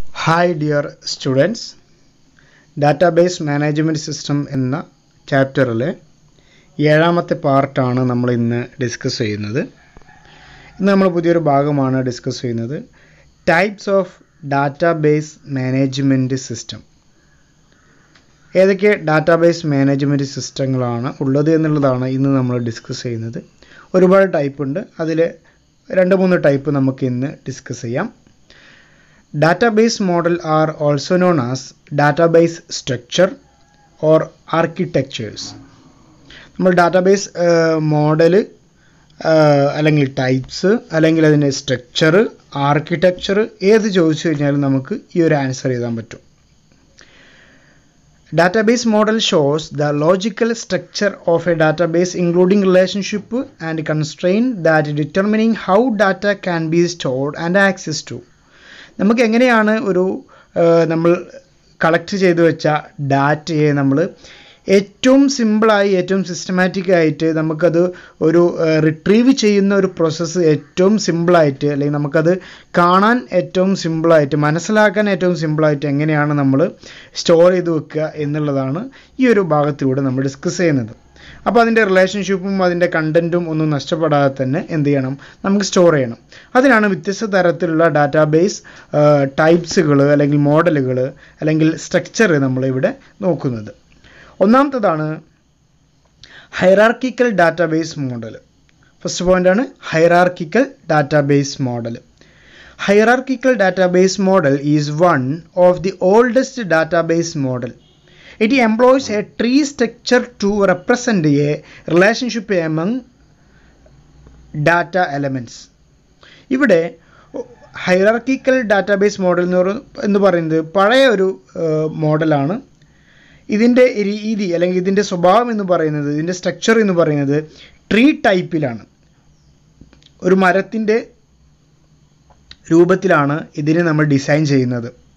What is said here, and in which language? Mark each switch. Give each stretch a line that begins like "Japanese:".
English: Hi dear students, Database Management System in the chapter
Malayalam: ഏഴാമത്തെ പാർട്ടാണ് നമ്മൾ ഇന്ന് ഡിസ്കസ് ചെയ്യുന്നത്. ഇന്ന് നമ്മൾ പുതിയൊരു ഭാഗമാണ് ഡിസ്കസ് ചെയ്യുന്നത്, types of database management system. ഏതൊക്കെ ഡാറ്റാബേസ് മാനേജ്മെൻറ്റ് സിസ്റ്റങ്ങളാണ് ഉള്ളത് എന്നുള്ളതാണ് ഇന്ന് നമ്മൾ ഡിസ്കസ് ചെയ്യുന്നത്. ഒരുപാട് ടൈപ്പുണ്ട്, അതിൽ രണ്ട് മൂന്ന് ടൈപ്പ് നമുക്ക് ഇന്ന് ഡിസ്കസ് ചെയ്യാം.
English: Database model are also known as database structure or architectures.
Malayalam: നമ്മൾ ഡാറ്റാബേസ് മോഡൽ അല്ലെങ്കിൽ ടൈപ്സ് അല്ലെങ്കിൽ അതിൻ്റെ സ്ട്രക്ചർ ആർക്കിടെക്ചർ ഏത് ചോദിച്ചു കഴിഞ്ഞാലും നമുക്ക് ഈ ഒരു ആൻസർ ചെയ്യാൻ പറ്റും.
English: Database model shows the logical structure of a database including relationship and constraint that determining how data can be stored and access to.
Malayalam: നമുക്ക് എങ്ങനെയാണ് ഒരു നമ്മൾ കളക്ട് ചെയ്തു വെച്ച ഡാറ്റയെ നമ്മൾ ഏറ്റവും സിമ്പിളായി ഏറ്റവും സിസ്റ്റമാറ്റിക് ആയിട്ട് നമുക്കത് ഒരു റിട്രീവ് ചെയ്യുന്ന ഒരു പ്രോസസ്സ് ഏറ്റവും സിമ്പിളായിട്ട് അല്ലെങ്കിൽ നമുക്കത് കാണാൻ ഏറ്റവും സിമ്പിളായിട്ട് മനസ്സിലാക്കാൻ ഏറ്റവും സിമ്പിളായിട്ട് എങ്ങനെയാണ് നമ്മൾ സ്റ്റോർ ചെയ്ത് വെക്കുക എന്നുള്ളതാണ് ഈ ഒരു ഭാഗത്തിലൂടെ നമ്മൾ ഡിസ്കസ് ചെയ്യുന്നത്. അപ്പോൾ അതിൻ്റെ റിലേഷൻഷിപ്പും അതിൻ്റെ കണ്ടൻറ്റും ഒന്നും നഷ്ടപ്പെടാതെ തന്നെ എന്ത് ചെയ്യണം, നമുക്ക് സ്റ്റോർ ചെയ്യണം. അതിനാണ് വ്യത്യസ്ത തരത്തിലുള്ള ഡാറ്റാബേസ് ടൈപ്സുകൾ അല്ലെങ്കിൽ മോഡലുകൾ അല്ലെങ്കിൽ സ്ട്രക്ചർ നമ്മളിവിടെ നോക്കുന്നത്. ഒന്നാമത്തതാണ് ഹൈറാർക്കിക്കൽ ഡാറ്റാബേസ് മോഡൽ. ഫസ്റ്റ് പോയിൻ്റാണ് hierarchical database model.
English: Hierarchical database model is one of the oldest database model. It employs a tree structure to represent a relationship among data elements.
Malayalam: ഇവിടെ hierarchical database model എന്ന് പറയുന്നത് പഴയ ഒരു മോഡലാണ്. ഇതിൻ്റെ രീതി അല്ലെങ്കിൽ ഇതിൻ്റെ സ്വഭാവം എന്ന് പറയുന്നത്, ഇതിൻ്റെ സ്ട്രക്ചർ എന്ന് പറയുന്നത് ട്രീ ടൈപ്പിലാണ്. ഒരു മരത്തിൻ്റെ രൂപത്തിലാണ് ഇതിനെ നമ്മൾ ഡിസൈൻ ചെയ്യുന്നത്.